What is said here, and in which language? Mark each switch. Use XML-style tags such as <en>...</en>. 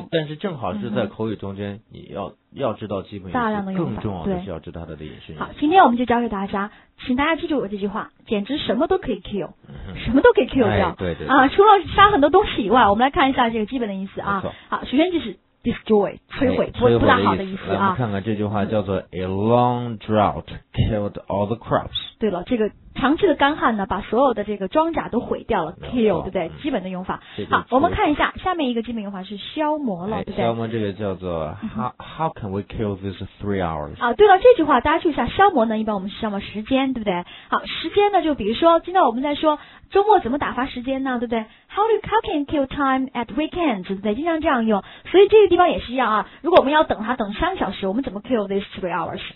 <zh>对，但是正好是在口语中间，你要知道基本意思，大量的更重要的是要知道它的引申。好，今天我们就教给大家，请大家记住我这句话，简直什么都可以 kill，什么都可以 kill 掉。哎、对对啊，除了杀很多东西以外，我们来看一下这个基本的意思啊。好，首先就是destroy 摧毁，不大好的意思啊。来，我们看看这句话叫做</zh> <en>a long drought killed all the crops。</en> <zh>对了，这个长期的干旱呢，把所有的这个庄稼都毁掉了 ，kill 对不对？基本的用法。好，我们看一下下面一个基本用法是消磨了，对不对？消磨这个叫做</zh> <en>how can we kill this 3 hours？</en> <zh>啊，对了，这句话大家注意一下，消磨呢一般我们是消磨时间，对不对？好，时间呢就比如说今天我们在说周末怎么打发时间呢，对不对 ？</zh> <en>How can kill time at weekends？</en> <zh>对不对？经常这样用，所以这个地方也是一样啊。如果我们要等它等3小时，我们怎么</zh> <en>kill this 3 hours？</en>